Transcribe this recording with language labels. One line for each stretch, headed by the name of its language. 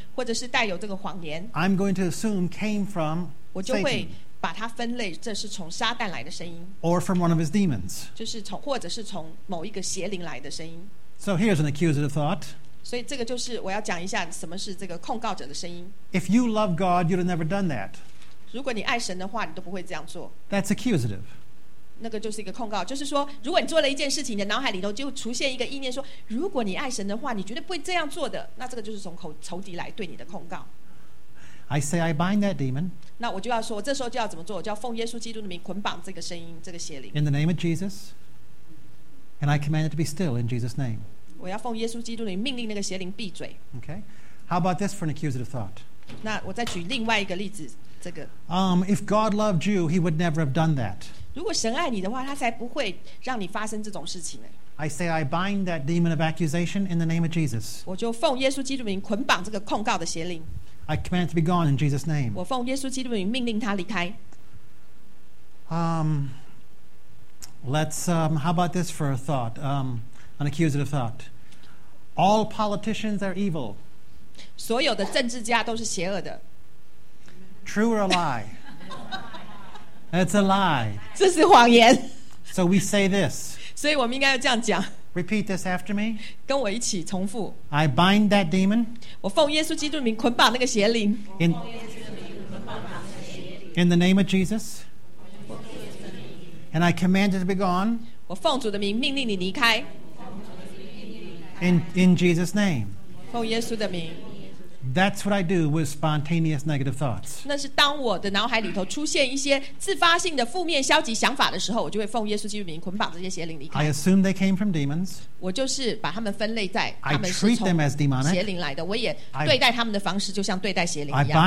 Chinese: 或者是带有这个谎言
English: I'm going to assume came from
Chinese: Satan. 我就会把它分类，这是从撒旦来的声音
English: or from one of his demons,
Chinese: 就是从或者是从某一个邪灵来的声音
English: So here's an accusative thought.
Chinese: 所以这个就是我要讲一下什么是这个控告者的声音。
English: If you love God, you'd have never done that.
Chinese: 如果你爱神的话，你都不会这样做。
English: That's accusative.
Chinese: 那个就是一个控告，就是说，如果你做了一件事情，你的脑海里头就出现一个意念说，如果你爱神的话，你绝对不会这样做的。那这个就是从仇敌来对你的控告。
English: I say I bind that demon.
Chinese: 那我就要说，我这时候就要怎么做？我就要奉耶稣基督的名捆绑这个声音，这个邪灵。
English: In the name of Jesus, and I command it to be still in Jesus' name.
Chinese: 我要奉耶稣基督的命令那个邪灵闭嘴。
English: Okay, how about this for an accusative thought?
Chinese: 那我再举另外一个例子，这个。
English: If God loved you, He would never have done that.
Chinese: 如果神爱你的话，他才不会让你发生这种事情呢。
English: I say I bind that demon of accusation in the name of Jesus.
Chinese: 我就奉耶稣基督的名捆绑这个控告的邪灵。
English: I command it to be gone in Jesus' name.
Chinese: 我奉耶稣基督的名命令他离开。
English: How about this for a thought? An accusative thought. All politicians are evil.
Chinese: 所有的政治家都是邪恶的。
English: True or a lie? That's a lie.
Chinese: 这是谎言。
English: So we say this.
Chinese: 所以我们应该要这样讲。
English: Repeat this after me.
Chinese: 跟我一起重复。
English: I bind that demon.
Chinese: 我奉耶稣基督的名捆绑那个邪灵。
English: In the name of Jesus. And I command it to be gone.
Chinese: 我奉主的名命令你离开。
English: In Jesus' name.
Chinese: 奉耶稣的名。
English: That's what I do with spontaneous negative thoughts.
Chinese: 那是当我的脑海里头出现一些自发性的负面消极想法的时候，我就会奉耶稣基督的名捆绑这些邪灵离开。
English: I assume they came from demons.
Chinese: 我就是把他们分类在
English: I treat them as demonic.
Chinese: 邪灵来的，我也对待他们的方式就像对待邪灵一样。